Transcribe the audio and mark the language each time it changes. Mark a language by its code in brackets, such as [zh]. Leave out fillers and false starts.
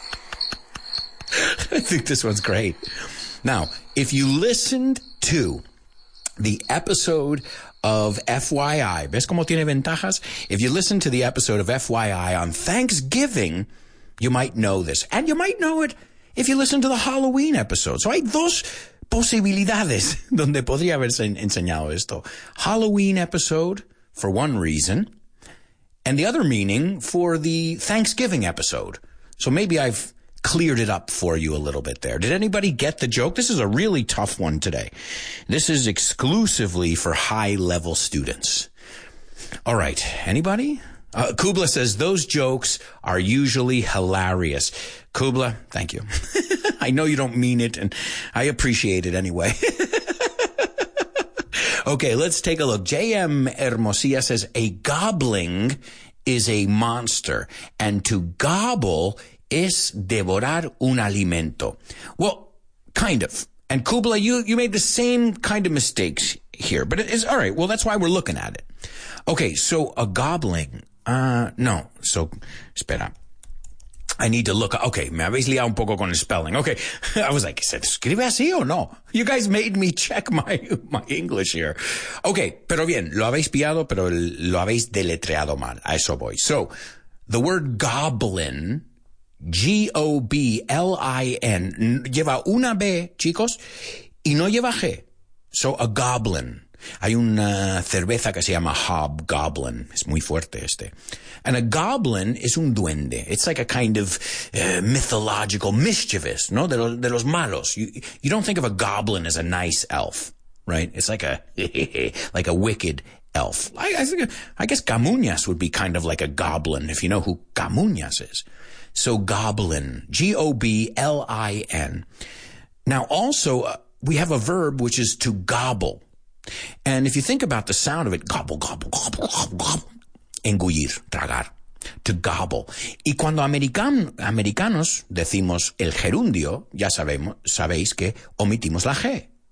[en] I think this one's great. Now, if you listened to the episode of FYI, [es] ¿ves cómo tiene ventajas? [en] If you listened to the episode of FYI on Thanksgiving, you might know this. And you might know it if you listen to the Halloween episode. [es] So hay dos posibilidades donde podría haberse enseñado esto. [en] Halloween episode, for one reason, and the other meaning for the Thanksgiving episode. So maybe I've cleared it up for you a little bit there. Did anybody get the joke? This is a really tough one today. This is exclusively for high-level students. All right, anybody? Kubla says, those jokes are usually hilarious. Kubla, thank you. I know you don't mean it, and I appreciate it anyway. Okay, let's take a look. J.M. Hermosilla says, a gobbling is a monster, and to gobble [es] es devorar un alimento. [en] Well, kind of. And Kubla, you made the same kind of mistakes here, but it is all right. Well, that's why we're looking at it. Okay, so a gobbling. So espera. I need to look. [es] Okay, me habéis liado un poco con el spelling. [en] Okay, I was like, [es] ¿se escribe así o no? [en] You guys made me check my English here. [es] Okay, pero bien, lo habéis pillado, pero lo habéis deletreado mal. A eso voy. [en] So, the word goblin, [es] G-O-B-L-I-N, lleva una B, chicos, y no lleva G. So, a goblin. Hay una cerveza que se llama Hobgoblin. Es muy fuerte este. [en] And a goblin is [es] un duende. [en] It's like a kind of mythological mischievous, no? [es] De los malos. [en] You don't think of a goblin as a nice elf, right? It's like a like a wicked elf. I guess Camuñas would be kind of like a goblin, if you know who Camuñas is. So goblin, G-O-B-L-I-N. Now also, we have a verb which is to gobble. And if you think about the sound of it, gobble, gobble, gobble, gobble, gobble. [es] Engullir, tragar, [en] to gobble. [es] Y cuando americanos decimos el gerundio, ya sabéis que omitimos la G.